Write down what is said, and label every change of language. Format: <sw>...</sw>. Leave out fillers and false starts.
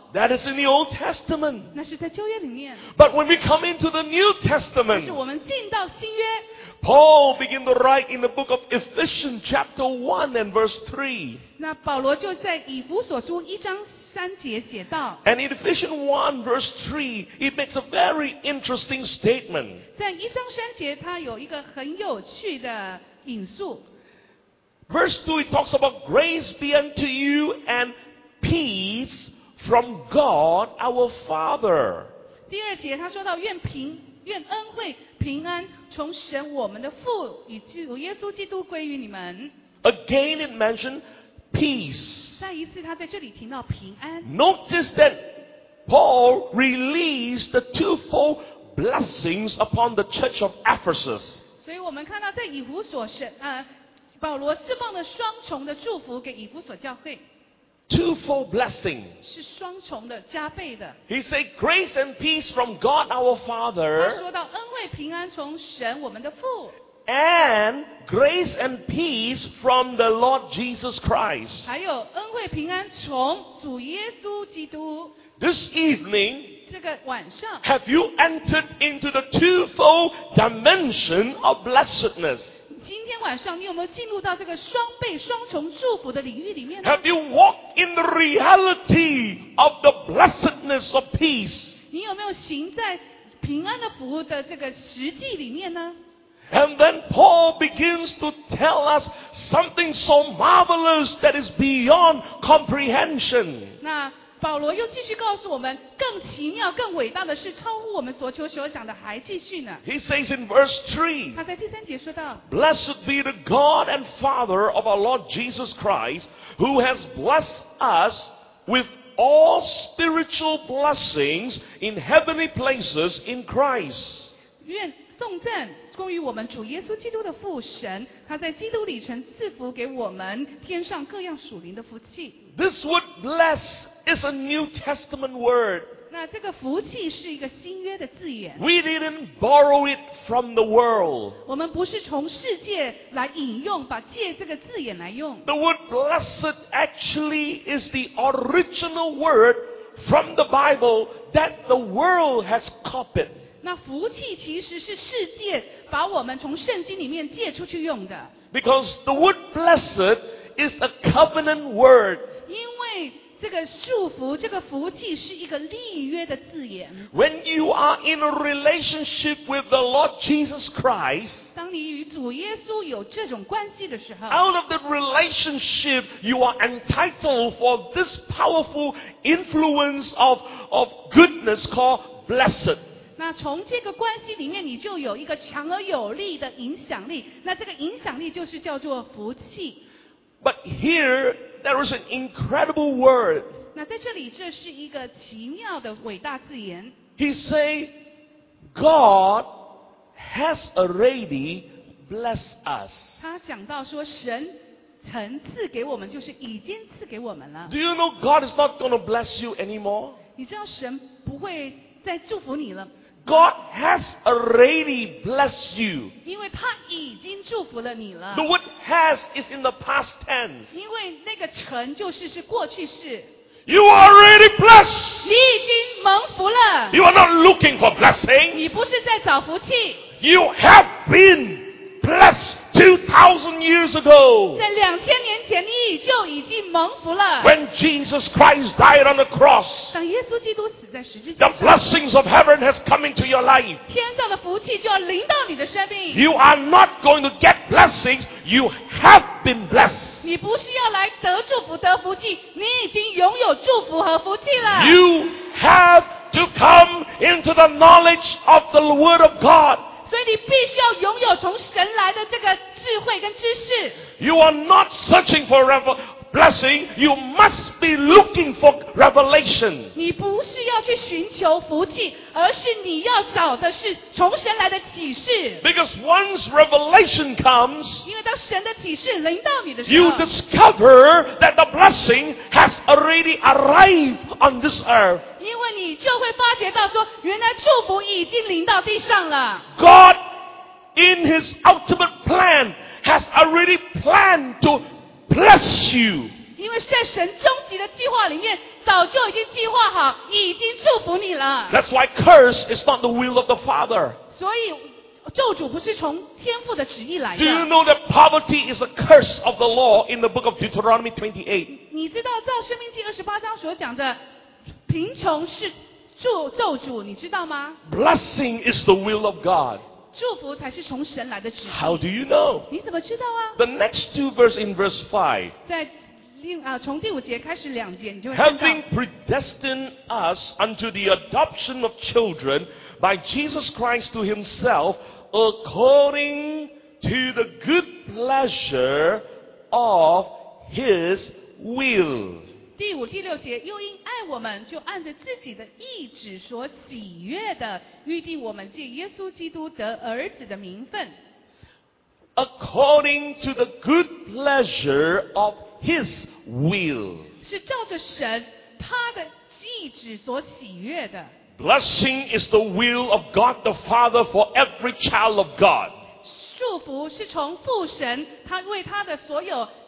<en>That is in the Old Testament.</en> <zh>那是在旧约里面。</zh> <en>But when we come into the New Testament,</en> <zh>就是我们进到新约。</zh> <en>Paul began to write in the book of Ephesians chapter 1 and verse 3.</en> <zh>那保罗就在以弗所书一章三节写道。</zh> <en>And in Ephesians 1 verse 3, he makes a very interesting statement.</en> <zh>在一章三节他有一个很有趣的引述。</zh> <en>Verse 2, he talks about grace be unto you and peace,From God, our Father.</en> <zh>第二节他说到愿恩惠平安从神我们的父与主耶稣基督归于你们。</zh> <en>Again, it mentioned peace.</en> <zh>再一次他在这里提到平安。</zh> <en>Notice that Paul released the twofold blessings upon the church of Ephesus.</en> <zh>所以我们看到在以弗所保罗释放了双重的祝福给以弗所教会。</zh> <en>Twofold blessing.</en> <zh>是双重的，加倍的。</zh> <en>He said, "Grace and peace from God our Father."</en> <zh>他说到恩惠平安从神我们的父。</zh> <en>And grace and peace from the Lord Jesus Christ.</en> <zh>还有恩惠平安从主耶稣基督。</zh> <en>This evening.</en> <zh>这个晚上。</zh> <en>Have you entered into the twofold dimension of blessedness?</en> <zh>今天晚上你有没有进入到这个双倍双重祝福的领域里面呢？</zh> <en>Have you walked in the reality of the blessedness of peace?</en> <zh>你有没有行在平安的福的这个实际里面呢？</zh> <en>And then Paul begins to tell us something so marvelous that is beyond comprehension.</en> <zh>那保罗又继续告诉我们更奇妙更伟大的是超乎我们所求所想的还继续呢。</zh> <en>He says in verse 3,</en> <zh>他在第三节说道，</zh> <en>Blessed be the God and Father of our Lord Jesus Christ, who has blessed us with all spiritual blessings in heavenly places in Christ.</en> <zh>愿颂赞供于我们主耶稣基督的父神，他在基督里曾赐福给我们天上各样属灵的福气。</zh> <en>This word bless is a New Testament word.</en> <zh>那这个福气是一个新约的字眼。</zh> <en>We didn't borrow it from the world.</en> <zh>我们不是从世界来引用，把借这个字眼来用。</zh> <en>The word blessed actually is the original word from the Bible that the world has copied.</en> <zh>那福气其实是世界把我们从圣经里面借出去用的。</zh> <en>Because the word blessed is a covenant word.</en> <zh>因为这个祝福，这个福气是一个立约的字眼。</zh> <en>When you are in a relationship with the Lord Jesus Christ,</en> <zh>当你与主耶稣有这种关系的时候，</zh> <en>out of the relationship, you are entitled for this powerful influence of goodness called blessed.</en> <zh>那从这个关系里面你就有一个强而有力的影响力，那这个影响力就是叫做福气。</zh> <en>But here there is an incredible word.</en> <zh>那在这里这是一个奇妙的伟大字眼。</zh> <en>He say God has already blessed us.</en> <zh>他讲到说神曾赐给我们，就是已经赐给我们了。</zh> <en>Do you know God is not going to bless you anymore?</en> <zh>你知道神不会再祝福你了。</zh> <en>God has already blessed you.</en> <zh>因为他已经祝福了你了。</zh> <en>The word has is in the past tense.</en> <zh>因为那个成就是过去式。</zh> <en>You are already blessed.</en> <zh>你已经蒙福了。</zh> <en>You are not looking for blessing.</en> <zh>你不是在找福气。</zh> <en>You have been blessed. 2,000 years ago,</en> <zh>在2000年前你就已经蒙福了。</zh> <en>When Jesus Christ died on the cross,</en> <zh>当耶稣基督死在十字架上，</zh> <en>the blessings of heaven has come into your life.</en> <zh>天上的福气就要临到你的生命。</zh> <en>You are not going to get blessings, you have been blessed.</en> <zh>你不是要来得祝福得福气，你已经拥有祝福和福气了。</zh> <en>You have to come into the knowledge of the word of God.</en> <zh>所以你必须要拥有从神来的这个智慧跟知识。</zh> <en>You are not searching for blessing, you must be looking for revelation.</en> <zh>你不是要去寻求福气，而是你要找的是从神来的启示。</zh> <en>Because once revelation comes,</en> <zh>因为当神的启示临到你的时候，</zh> <en>you discover that the blessing has already arrived on this earth.</en> <zh>因为你就会发觉到说，原来祝福已经临到地上了。</zh> <en>God in His ultimate plan has already planned to bless you.</en> <zh>因为在神终极的计划里面，早就已经计划好，已经祝福你了。</zh> <en>That's why curse is not the will of the Father.</en> <zh>所以咒诅不是从天父的旨意来的。</zh> <en>Do you know that poverty is a curse of the law in the book of Deuteronomy 28?</en> <zh>你知道在生命记二十八章所讲的。贫穷是咒诅，你知道吗？</zh> <en>Blessing is the will of God.</en> <zh>祝福才是从神来的旨意。</zh> <en>How do you know?</en> <zh>你怎么知道啊？</zh> <en>The next two verse in verse 5.</en> <zh>在从第五节开始两节，你就会知道。</zh> <en>Having predestined us unto the adoption of children by Jesus Christ to himself, according to the good pleasure of his will.</en> <zh>第五、第六节，又因爱我们，就按着自己的意志所喜悦的，预定我们借耶稣基督得儿子的名分。</zh> <en>According to the good pleasure of His will，</en> <zh>是照着神他的意志所喜悦的。</zh> <en>Blessing is the will of God the Father for every child of God。</en> <zh>祝福是从父神他为他的所有。</zh>